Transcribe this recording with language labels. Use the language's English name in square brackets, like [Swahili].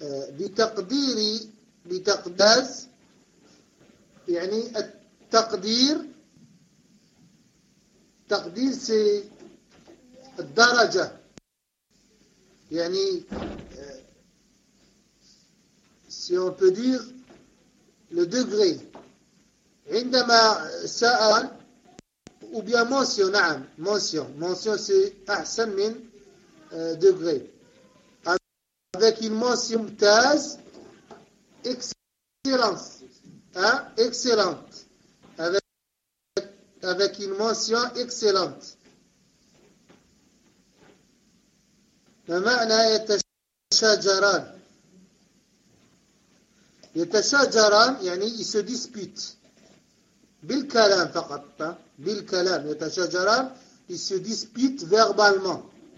[Arabic] بتقديري بتقداز يعني التقدير، تقدير سي الدرجة، يعني [French] si on peut dire le degré. [Arabic] عندما سأل [French] ou bien mention، [Arabic] نعم mention، [French] mention c'est [Arabic] أحسن من degré. [French] Avec une mention [Arabic] ممتاز، [French] excellence، hein excellente، avec une mention excellente. [Arabic] ما معنى يتشاجران؟ يتشاجران يعني يسو ديسبيت، بالكلام فقط، بالكلام يتشاجران يسو ديسبيت فيربالمون.